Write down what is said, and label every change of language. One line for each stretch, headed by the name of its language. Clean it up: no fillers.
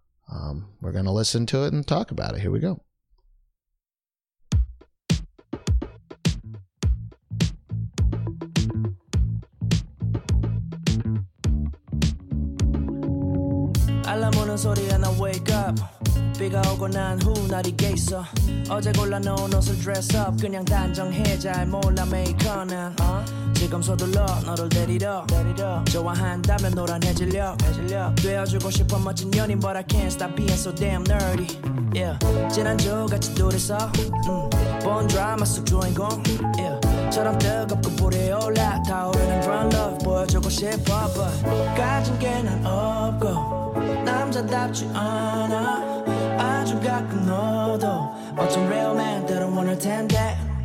English: We're going to listen to it and talk about it. Here we go.
Korean: Alarm 오는 소리에 나
English: wake up.
Korean: 비가 오고 난 후 날이 깨 있어. 어제 골라놓은 옷을
English: dress up.
Korean: 그냥 단정해 잘 몰라 메이커나. 지금 서둘러 너를 데리러. 좋아한다면 노란 해질녘. 되어주고 싶어 멋진 연인
English: but I can't stop being so damn nerdy. Yeah.
Korean: 지난주 같이 둘이서 본 드라마 속 주인공.
English: Yeah.
Korean: 처럼 뜨겁고 불이 올라 타오르는 그런 love 보여주고 싶어 but 가진 게 난 없고. 남자답지 않아 아주 가끔 너도 어쩜
English: real man
Korean: 때론 모를 텐데